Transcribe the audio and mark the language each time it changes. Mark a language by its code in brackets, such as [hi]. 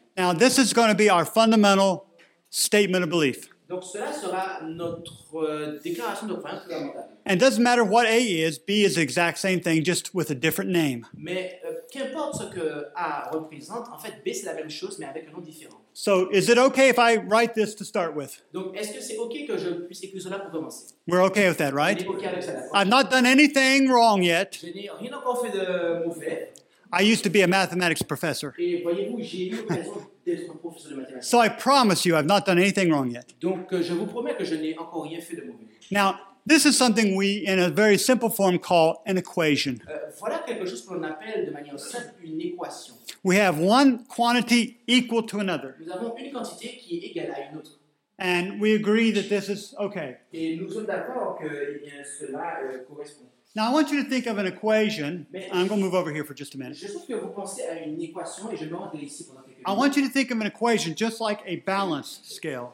[en] Now this is going to be our fundamental statement of belief. [fr] Donc cela sera notre déclaration de principe fondamentale. [en] And it doesn't matter what A is, B is the exact same thing, just with a different name. [fr] Mais qu'importe ce que A représente, en fait B c'est la même chose, mais avec un nom différent. [en] So is it okay if I write this to start with? [fr] Donc est-ce que c'est okay que je puisse écrire cela pour commencer? [en] We're okay with that, right? [fr] On est okay avec ça, d'accord? [en] I've not done anything wrong yet. [fr] Je n'ai rien encore fait de mauvais. [en] I used to be a mathematics professor. [fr] Et voyez-vous, j'ai eu l'occasion d'être un professeur de mathématiques. [en] So I promise you, I've not done anything wrong yet. [fr] Donc, je vous promets que je n'ai encore rien fait de mauvais. [en] Now, this is something we, in a very simple form, call an equation. [fr] Voilà quelque chose qu'on appelle de manière simple une équation. [en] We have one quantity equal to another. [fr] Nous avons une quantité qui est égale à une autre. [en] And we agree that this is okay. [fr] Et nous sommes d'accord que eh bien, cela correspond. [en] Now I want you to think of an equation. [fr] Mais [en] I'm going to move over here for just a minute. [fr] Je souhaite que vous pensiez à une équation et je me rendrai ici pendant quelques [en] minutes. I want you to think of an equation just like a balance scale.